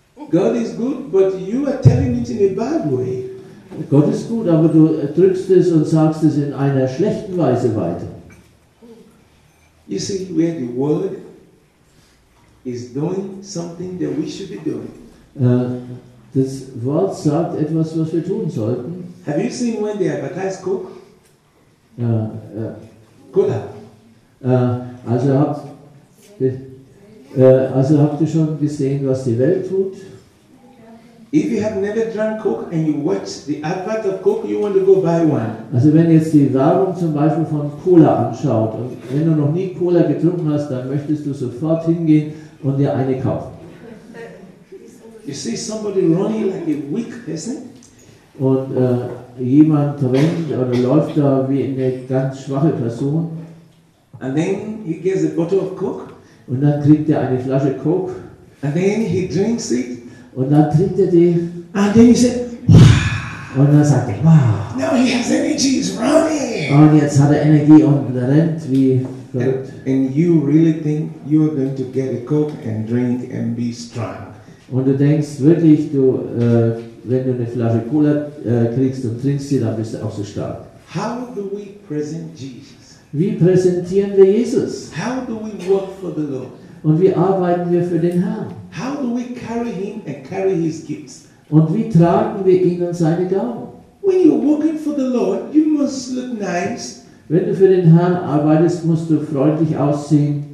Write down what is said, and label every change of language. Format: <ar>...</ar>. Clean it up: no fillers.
<en>God is good, but you are telling it in a bad way.</en> <de>Gott ist gut, aber du drückst es und sagst es in einer schlechten Weise weiter.</de> <en>You see, where the world is doing something that we should be doing.</en> <de>Das Wort sagt etwas, was wir tun sollten.</de> <en>Have you seen when they advertise Coke?</en> <de>Cola. Also habt ihr schon gesehen, was die Welt tut?</de> <en>If you have never drank Coke and you watch the advert of Coke, you want to go buy one.</en> <de>Also wenn ihr jetzt die Werbung zum Beispiel von Cola anschaut und wenn du noch nie Cola getrunken hast, dann möchtest du sofort hingehen und dir eine kaufen.</de> <en>You see somebody running like a weak person?</en> <de>Und jemand rennt oder läuft da wie eine ganz schwache Person.</de> <en>And then he gets a bottle of Coke.</en> <de>Und dann kriegt er eine Flasche Coke.</de> <en>And then he drinks it.</en> <de>Und dann trinkt er die.</de> <en>And then he said, wow.</en> <de>Und dann sagt er, wow.</de> <en>Now he has energy, he's running.</en> <de>Und jetzt hat er Energie und rennt wie verrückt.</de> <en>And you really think you are going to get a Coke and drink and be strong?</en> <de>Und du denkst wirklich, du, wenn du eine Flasche Cola kriegst und trinkst sie, dann bist du auch so stark.</de> <en>How do we present Jesus?</en> <de>Wie präsentieren wir Jesus?</de> <en>How do we work for the Lord?</en> <de>Und wie arbeiten wir für den Herrn?</de> <en>How do we carry him and carry his gifts?</en> <de>Und wie tragen wir ihn und seine Gaben?</de> <en>When you're working for the Lord, you must look nice.</en> <de>Wenn du für den Herrn arbeitest, musst du freundlich aussehen.</de>